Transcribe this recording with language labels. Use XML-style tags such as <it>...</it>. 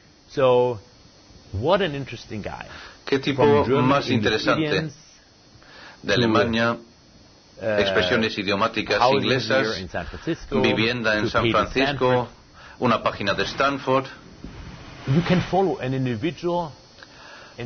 <en>So, what an interesting guy.</en> <es>¿Qué tipo más interesante? De Alemania, expresiones idiomáticas inglesas, vivienda en San Francisco, una página de Stanford.</es> <en>You can follow an individual and</en>